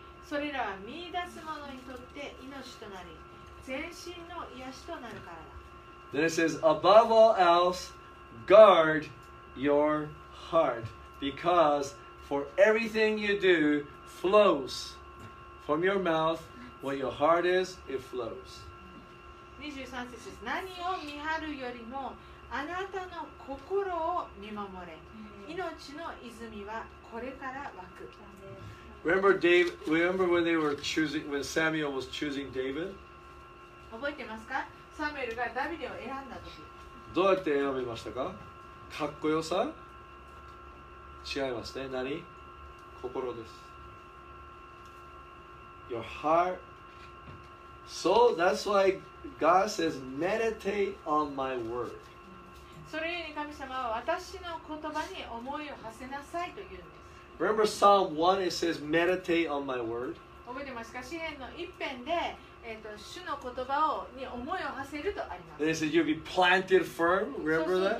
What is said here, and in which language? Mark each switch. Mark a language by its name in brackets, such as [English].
[Japanese] それらは見出す者にとって命となり、全身の癒しとなるからだ。 [English] Then it says, above all else, guard your heart, because for everything you do flows from your mouth. What your heart is, it flows. [Japanese] 23節、何を見張るよりもあなたの心を見守れ。命の泉はこれから湧く。 [English] Remember, Dave. Remember when they were choosing, when Samuel was choosing David. [Japanese] 覚えてますか？サムエルがダビデを選んだ時。どうやって選びましたか？かっこよさ違いますね。何心です。 [English] Your heart. So that's why God says, meditate on my word. [Japanese] それゆえに神様は私の言葉に思いを馳せなさいと言うんです。 [English] Remember Psalm 1, it says, meditate on my word. [Japanese] 覚えてますか？詩編の一編で、主の言葉をに思いを馳せるとあります。 [English] They said you'll be planted firm. Remember that?